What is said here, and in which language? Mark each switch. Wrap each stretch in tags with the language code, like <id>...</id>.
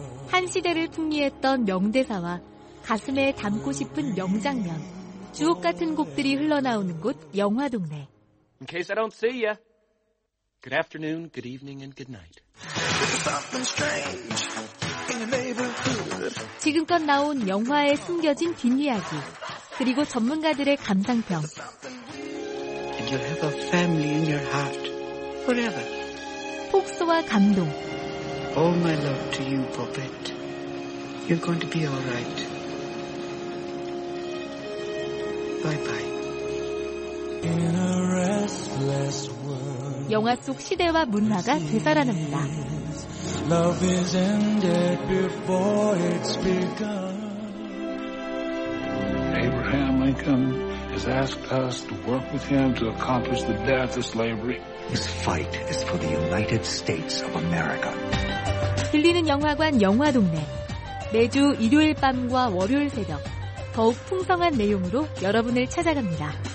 <ko>한 시대를 풍미했던 명대사와 가슴에 담고 싶은 명장면, 주옥 같은 곡들이 흘러나오는 곳, 영화 동네.</ko> <en>In case I don't see ya. Good afternoon, good evening, and good night. Something strange in the neighborhood.</en> <ko>지금껏 나온 영화의 숨겨진 뒷이야기, 그리고 전문가들의 감상평.</ko> <en>You'll have a family in your heart forever.</en> <ko>폭소와 감동.</ko> <en>All my love to you, puppet. You're going to be all right. Bye-bye. In a restless world.</en> <ko>영화 속 시대와 문화가 되살아납니다.</ko> <en>Love is ended before it's begun. Abraham Lincoln has asked us to work with him to accomplish the death of slavery. This fight is for the United States of America.</en> <ko>들리는 영화관 영화 동네. 매주 일요일 밤과 월요일 새벽 더욱 풍성한 내용으로 여러분을 찾아갑니다.</ko>